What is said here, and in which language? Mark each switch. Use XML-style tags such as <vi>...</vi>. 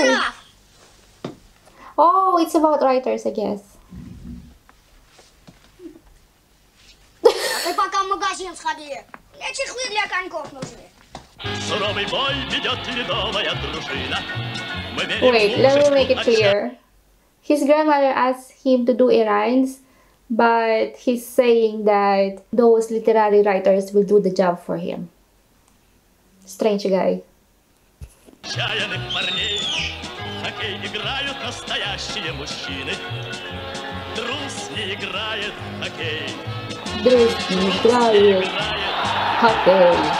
<ru>Да.</ru> <en>Oh, it's about writers, I guess.</en> <ru>Ты пока в магазин сходи. Мне чехлы для коньков нужны. Суровый бой ведет ледовая дружина.</ru> <en>Wait, let me make it clear. His grandmother asks him to do errands, but he's saying that those literary writers will do the job for him. Strange guy.</en> <ru>Чаянных парней, хоккей играют настоящие мужчины. Трус не играет хоккей. Друг не играет хоккей.</ru>